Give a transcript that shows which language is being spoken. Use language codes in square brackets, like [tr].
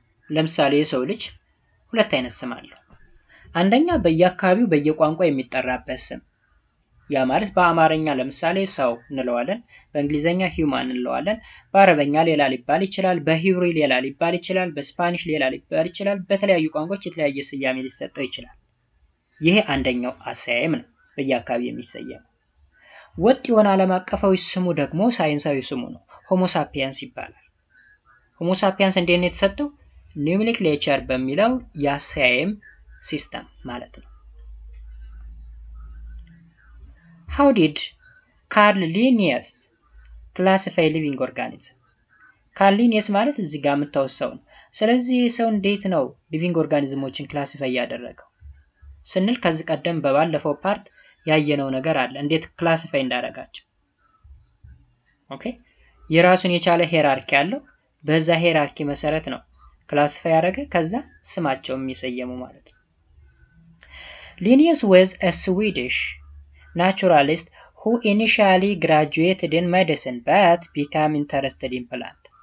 [am] ለምሳሌ የሰው ልጅ ሁለት አይነት ስም አለው። አንደኛ በየአካባቢው በየቋንቋ የሚጠራበት ስም ያ ማለት በአማርኛ ለምሳሌ ሰው እንለዋለን በእንግሊዘኛ ሂዩማን እንለዋለን በአረበኛ ሌላ ሊባል ይችላል በሂብሪ ሌላ ሊባል ይችላል በስፓኒሽ ሌላ ሊባል ይችላል በተለያየ ቋንቋዎች የተለያየ ስያሜ ሊሰጠው ይችላል። ይሄ አንደኛው አሰያየም ነው በየአካባቢው የሚሰየም። ወጥ የሆነ ዓለም አቀፋዊ ስሙ ደግሞ ሳይንሳዊ ስሙ ነው ሆሞ ሳፒያንስ ይባላል። ሆሞ ሳፒያንስ እንዴት ነው የተሰጠው? ኒውሜንክሌቸር በሚለው የአሰያየም ሲስተም ማለት ነው። [en] How did Carl Linnaeus classify living organisms? [am] Carl Linnaeus ማለት እዚህ ጋር የምታወሰው ነው። ስለዚህ ሰው እንዴት ነው living organismsዎችን classify ያደረገው? ስንል ከዚህ ቀደም በባለፈው part ያየነው ነገር አለ እንዴት classify እንዳደረጋቸው። ኦኬ የራሱን የቻለ hierarchy አለው በዛ hierarchy መሰረት ነው classify ያደረገ ከዛ ስማቸውም የሚሰየሙ ማለት ነው። [en] Linnaeus was a Swedish naturalist who initially graduated in medicine but became interested in plant.